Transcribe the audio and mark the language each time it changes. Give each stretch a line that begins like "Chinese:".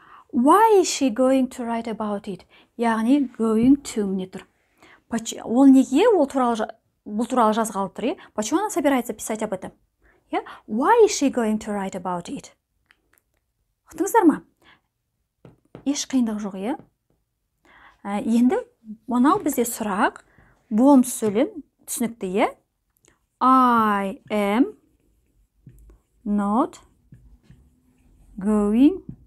English: Why is she going to write about it?
Kazakh: Яғни,
English: going to
Kazakh: міне тұр. Ол неге бұл туралы жазғалы тұр,
English: yeah?
Russian: Почему она собирается писать об этом?
English: Yeah? Why is she going to write about it?
Kazakh: Құтыңыздар ма? Еш қиындық жоқ,
English: yeah?
Kazakh: Енді, мынау бізде сұрақ, болымсыз сөйлем түсінікті, иә?
English: I am not going